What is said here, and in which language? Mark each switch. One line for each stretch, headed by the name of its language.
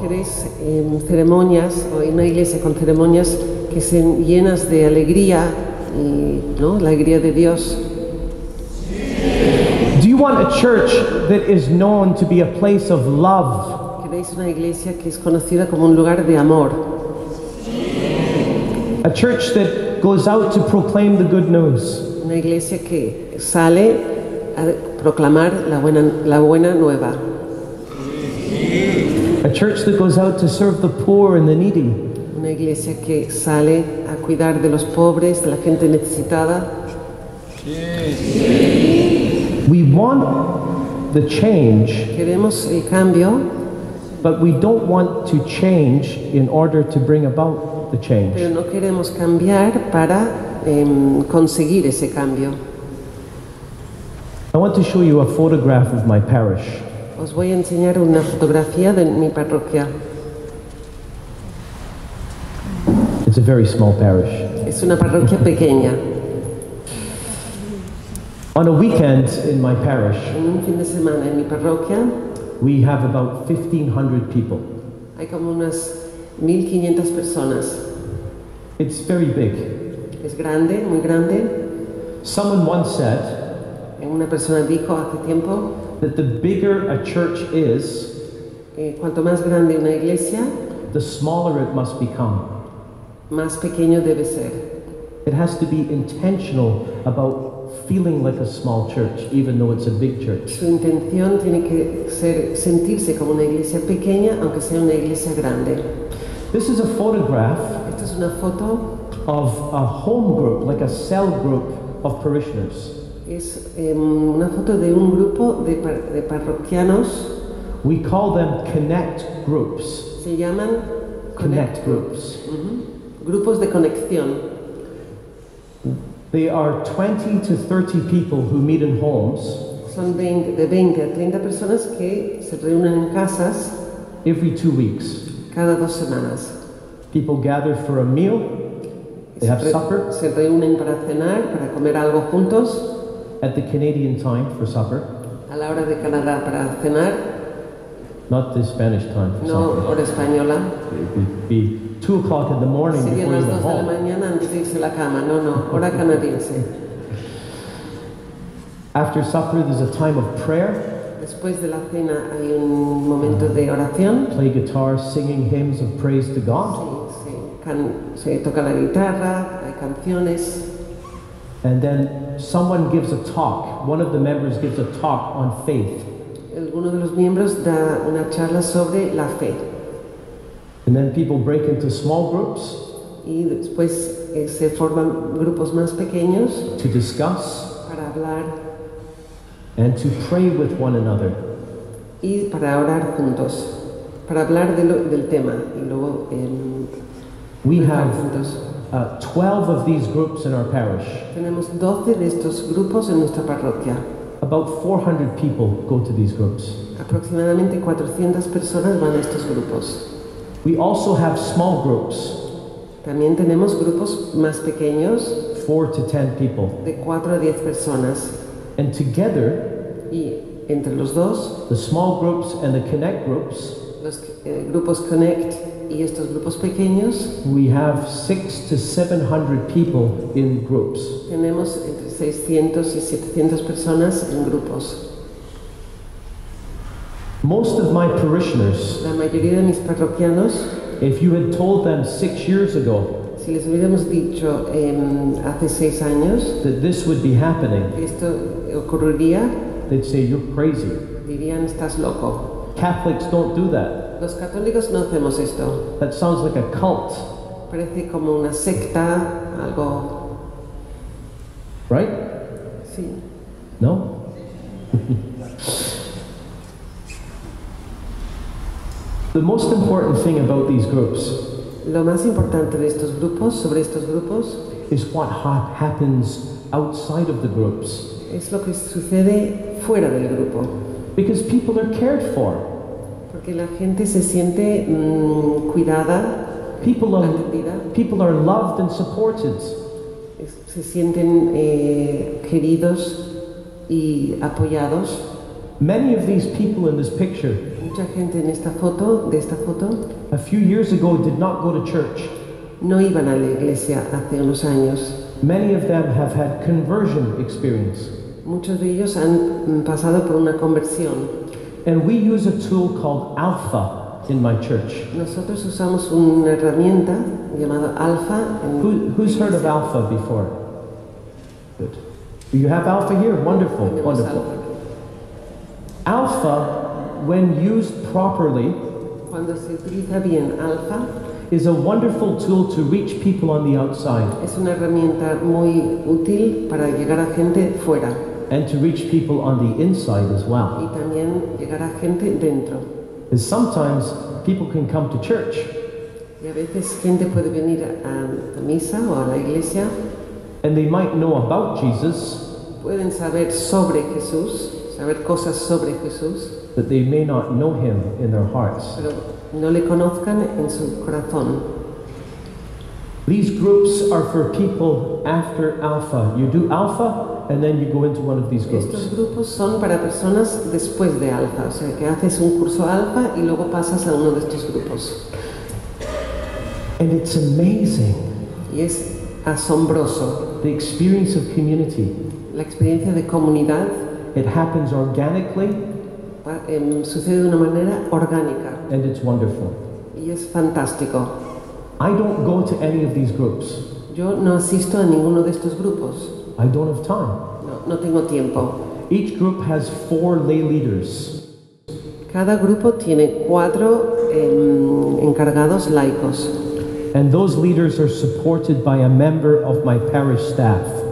Spanish: ¿Queréis ceremonias o una iglesia con ceremonias que sean llenas de alegría y, ¿no?, la alegría de Dios?
English: Do you want a church that is known to be a place of love?
Spanish: ¿Queréis una iglesia que es conocida como un lugar de amor?
English: A church that goes out to proclaim the good news.
Spanish: Una iglesia que sale a proclamar la buena nueva.
English: A church that goes out to serve the poor and the needy.
Spanish: Una iglesia que sale a cuidar de los pobres, de la gente necesitada.
English: We want the change.
Spanish: Queremos el cambio.
English: But we don't want to change in order to bring about the change.
Spanish: Pero no queremos cambiar para conseguir ese cambio.
English: I want to show you a photograph of my parish.
Spanish: Os voy a enseñar una fotografía de mi parroquia.
English: It's a very small parish.
Spanish: Es una parroquia pequeña.
English: On a weekend in my parish,
Spanish: en un fin de semana en mi parroquia,
English: we have about 1,500 people.
Spanish: Hay como unas 1,500 personas.
English: It's very big.
Spanish: Es grande, muy grande.
English: Someone once said,
Spanish: una persona dijo hace tiempo,
English: that the bigger a church is,
Spanish: cuanto más grande una iglesia,
English: the smaller it must become.
Spanish: Más pequeño debe ser.
English: It has to be intentional about feeling like a small church, even though it's a big church.
Spanish: Su intención tiene que ser sentirse como una iglesia pequeña, aunque sea una iglesia grande.
English: This is a photograph.
Spanish: Esta es una foto
English: of a home group, like a cell group of parishioners.
Spanish: Es una foto de un grupo de parroquianos.
English: We call them connect groups.
Spanish: Se llaman
English: connect groups.
Spanish: Grupos de conexión.
English: They are 20 to 30 people who meet in homes.
Spanish: Son de 20 a 30 personas que se reúnen en casas.
English: Every 2 weeks.
Spanish: Cada dos semanas.
English: People gather for a meal. They have supper.
Spanish: Se reúnen para cenar, para comer algo juntos.
English: At the Canadian time for supper.
Spanish: A la hora de Canadá para cenar.
English: Not the Spanish time for
Spanish: no,
English: supper.
Spanish: No, hora española.
English: Be 2 o'clock in the morning.
Spanish: Sería
English: before
Spanish: las dos de la mañana antes de irse a la cama. No, no, hora canadiense.
English: After supper, there's a time of prayer.
Spanish: Después de la cena hay un momento de oración.
English: Play guitar, singing hymns of praise to God.
Spanish: Se toca la guitarra, hay canciones.
English: And then someone gives a talk. One of the members gives a talk on faith.
Spanish: Alguno de los miembros da una charla sobre la fe.
English: And then people break into small groups.
Spanish: Y después se forman grupos más pequeños.
English: To discuss.
Spanish: Para hablar.
English: And to pray with one another.
Spanish: Y para orar juntos. Para hablar del tema. Y luego
English: we have 12 of these groups in our parish.
Spanish: Tenemos 12 de estos grupos en nuestra parroquia.
English: About 400 people go to these groups.
Spanish: Aproximadamente 400 personas van a estos grupos.
English: We also have small groups.
Spanish: También tenemos grupos más pequeños.
English: 4 to 10 people.
Spanish: De 4 a 10 personas.
English: And together,
Spanish: y entre los dos,
English: the small groups and the connect groups,
Spanish: los grupos connect y estos grupos pequeños,
English: we have 600 to 700 people in groups.
Spanish: Tenemos entre 600 y 700 personas en grupos.
English: Most of my parishioners,
Spanish: la mayoría de mis parroquianos,
English: if you had told them 6 years ago,
Spanish: si les hubiéramos dicho hace 6 años,
English: that this would be happening,
Spanish: esto ocurriría,
English: they'd say you're crazy.
Spanish: Dirían estás loco.
English: Catholics don't do that.
Spanish: Los católicos no hacemos esto.
English: That sounds like a cult.
Spanish: Parece como una secta, algo.
English: Right?
Spanish: Sí.
English: No? The most important thing about these groups,
Spanish: lo más importante de estos grupos, sobre estos grupos,
English: is what happens outside of the groups.
Spanish: Es lo que sucede fuera del grupo.
English: Because people are cared for.
Spanish: Porque la gente se siente cuidada, atendida.
English: People are loved and supported.
Spanish: Se sienten queridos y apoyados.
English: Many of these people in this picture,
Spanish: mucha gente en esta foto, de esta foto,
English: a few years ago did not go to church.
Spanish: No iban a la iglesia hace unos años.
English: Many of them have had conversion experience.
Spanish: Muchos de ellos han pasado por una conversión.
English: And we use a tool called Alpha in my church.
Spanish: Nosotros usamos una herramienta llamada Alpha.
English: Who's heard of Alpha before? Good. You have Alpha here? Wonderful, wonderful. Alpha, when used properly,
Spanish: cuando se utiliza bien, Alpha,
English: is a wonderful tool to reach people on the outside.
Spanish: Es una herramienta muy útil para llegar a gente fuera.
English: And to reach people on the inside as well.
Spanish: Y también llegar a gente dentro.
English: And sometimes people can come to church.
Spanish: Y a veces gente puede venir a misa o a la iglesia.
English: And they might know about Jesus.
Spanish: Pueden saber sobre Jesús, saber cosas sobre Jesús.
English: But they may not know him in their hearts.
Spanish: Pero no le conozcan en su corazón.
English: These groups are for people after Alpha. You do Alpha, and then you go into one of these groups.
Spanish: Estos grupos son para personas después de Alpha, o sea, que haces un curso Alpha y luego pasas a uno de estos grupos.
English: And it's amazing.
Spanish: Y es asombroso.
English: The experience of community.
Spanish: La experiencia de comunidad.
English: It happens organically.
Spanish: Sucede de una manera orgánica.
English: And it's wonderful.
Spanish: Y es fantástico.
English: I don't go to any of these groups.
Spanish: Yo no asisto a ninguno de estos grupos.
English: I don't have time.
Spanish: No tengo tiempo.
English: Each group has 4 lay leaders.
Spanish: Cada grupo tiene 4 encargados laicos.
English: And those leaders are supported by a member of my parish staff.